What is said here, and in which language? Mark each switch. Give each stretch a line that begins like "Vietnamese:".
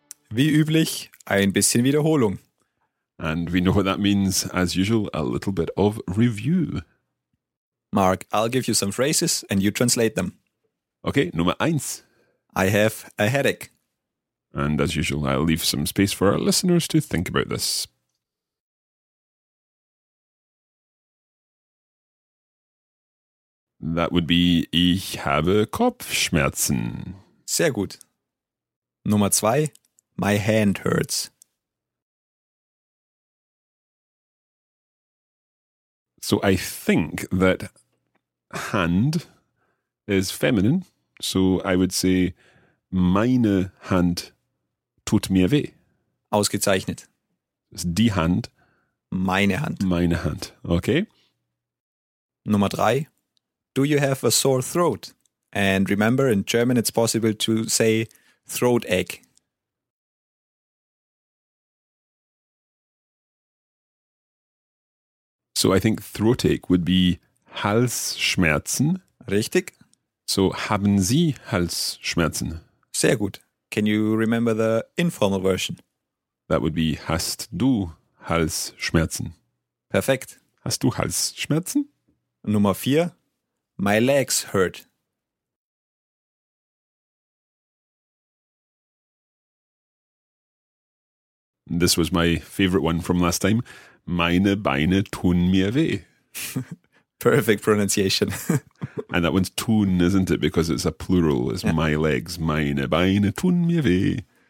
German: Wie üblich, ein bisschen Wiederholung.
English: And we know what that means. As usual, a little bit of review. Marc, I'll give you some phrases and you translate them.
German: Okay, Nummer eins.
English: I have a headache. And as usual, I'll leave some space for our listeners to think about this. That would be,
German: ich habe Kopfschmerzen. Sehr gut. Nummer zwei,
English: my hand hurts. So I think that hand is feminine, so I would say
German: meine Hand tut mir weh. Ausgezeichnet. Das ist die Hand. Meine Hand. Meine Hand. Okay. Nummer drei.
English: Do you have a sore throat? And remember, in German it's possible to say throat ache. So I think throat ache would be Halsschmerzen.
German: Richtig. So haben Sie Halsschmerzen? Sehr gut.
English: Can you remember the informal version? That would be,
German: hast du Halsschmerzen? Perfekt. Hast du Halsschmerzen? Nummer vier,
English: my legs hurt. This was my favorite one from last time.
German: Meine Beine tun mir weh.
English: Perfect pronunciation. And that one's tun, isn't it? Because it's a plural. It's yeah. My legs,
German: meine Beine tun mir weh.